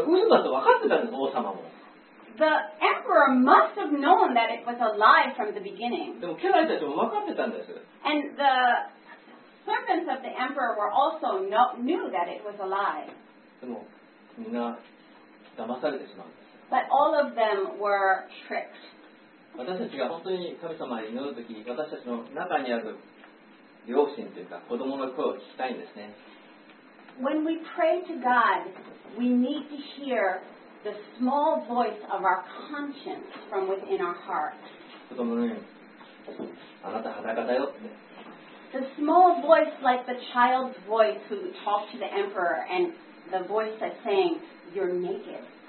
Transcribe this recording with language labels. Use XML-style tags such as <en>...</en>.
<en>The emperor must have known that it was a lie from the beginning. And the servants of the emperor were also knew that it was a lie. But all of them were tricked.</en> <ja>私たちが本当に神様に祈るとき、私たちの中にある良心というか、子供の声を聞きたいんですね。</ja> <en>When we pray to God, we need to hear the small voice of our conscience from within our heart. The small voice, like the child's voice who talked to the emperor, and the voice that's saying, "You're naked.</en>